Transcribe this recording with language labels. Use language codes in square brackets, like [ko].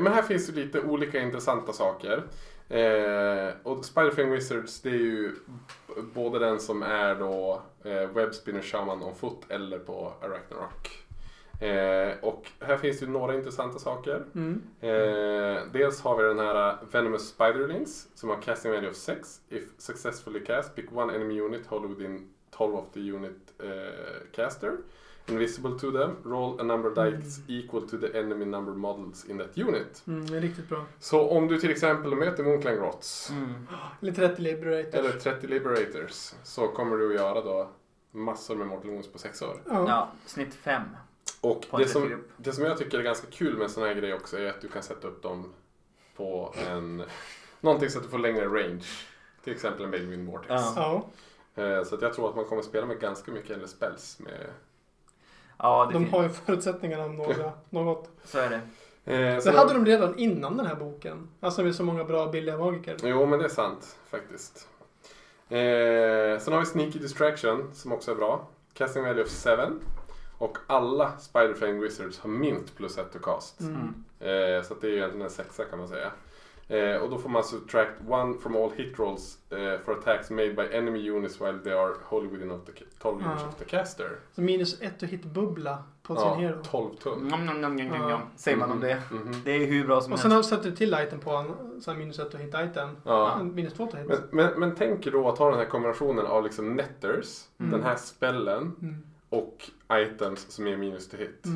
[sv] Men här finns det lite olika intressanta saker. Och Spiderfang Wizards, det är ju både den som är då webspinner shaman on foot eller på Arachnarok. Och här finns det några intressanta saker. Dels har vi den här Venomous Spiderlings som har casting value of 6. [en] If successfully cast, pick one enemy unit hold within 12 of the unit caster invisible to them, roll a number of dice equal to the enemy number models in that unit. [sv] Det är riktigt bra. Så om du till exempel möter Moonclang Rots eller 30 Liberators så kommer du att göra då massor med Mortal Wounds på 6 år. Ja, snitt 5. Och det som jag tycker är ganska kul med sån här grej också är att du kan sätta upp dem på en någonting så att du får längre range. Till exempel en Bane Vortex. Så att jag tror att man kommer spela med ganska mycket eller spells med. Ja, de har ju förutsättningarna om något. Så är det. Det hade de redan innan den här boken. Alltså med så många bra billiga magiker. Jo, men det är sant faktiskt. Sen har vi Sneaky Distraction som också är bra. Casting value of 7. Och alla Spider-Fang Wizards har minst plus 1 to cast. Mm. Så att det är ju egentligen en sexa kan man säga. Och då får man [en] subtract 1 from all hit rolls for attacks made by enemy units while they are wholly within of the 12 inch of the caster. [sv] Så minus 1 att hit bubbla på sin hero. 12 tum. Säger man om det. Mm-hmm. Det är hur bra som helst. Och sen har du satt till item på en, så minus 1 att hit item. Ja. Minus 2 att hit. Men tänk då att ha den här kombinationen av liksom netters, den här spellen och items som är minus to hit.